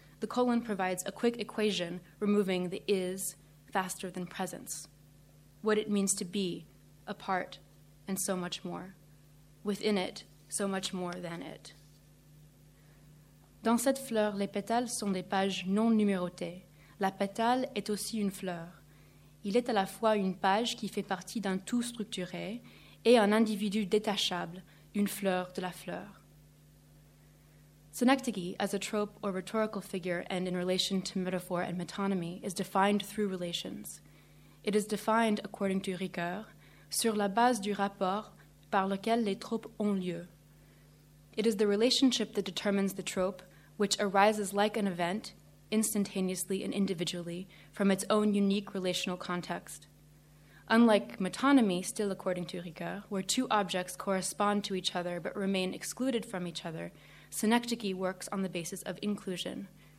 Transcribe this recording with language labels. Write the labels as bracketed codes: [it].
[en] The colon provides a quick equation, removing the is faster than presence. What it means to be, a part, and so much more. Within it, so much more than it. [fr] Dans cette fleur, les pétales sont des pages non numérotées. La pétale est aussi une fleur. Il est à la fois une page qui fait partie d'un tout structuré et un individu détachable, une fleur de la fleur. [en] Synecdoche, as a trope or rhetorical figure and in relation to metaphor and metonymy, is defined through relations. It is defined, according to Ricoeur, [fr] sur la base du rapport par lequel les tropes ont lieu. [en] It is the relationship that determines the trope, which arises like an event, instantaneously and individually, from its own unique relational context. Unlike metonymy, still according to Ricoeur, where two objects correspond to each other but remain excluded from each other, synecdoche works on the basis of inclusion.